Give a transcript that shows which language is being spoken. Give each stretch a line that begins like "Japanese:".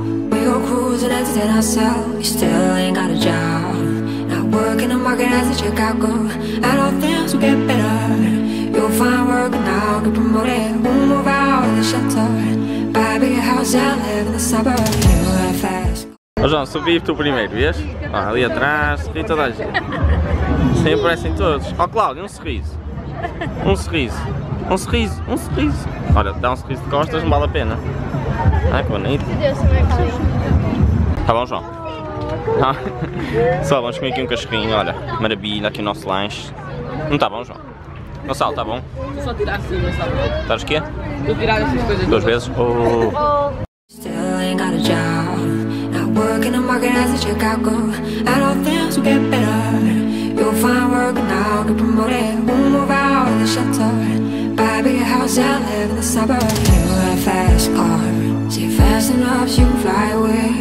English: We go cruising, entertain ourselves. You still ain't got a job. Not work in the market as a checkout girl. I know things will get better. You'll find work and I'll get promoted. We'll move out of the shelter. Buy a bigger house and live in the suburbs. You got a fast car.
Portuguese: Ó João, subi tu primeiro, vês? Ó, ali atrás, ri toda a gente. Sempre aparecem todos. Ó Cláudio, um sorriso. Um sorriso. Um sorriso, um sorriso. Olha, dá um sorriso de costas, não vale a pena. Ai, que bonito. Tá bom, João? Só vamos comer aqui um cachorrinho, olha. Maravilha, aqui o nosso lanche. Não tá bom, João? Gonçalo, tá bom? Estou só a tirar assim, mas está bom. Estás o quê? Estou a tirar essas coisas. Duas vezes?
English: Oh. Still ain't got a job. Work in the market as a Chicago. At all things will get better. You'll find work and I'll get promoted. We'll move out of the shelter. Buy a bigger house and live in the suburbs. You got a fast car. See, fast enough so you can fly away.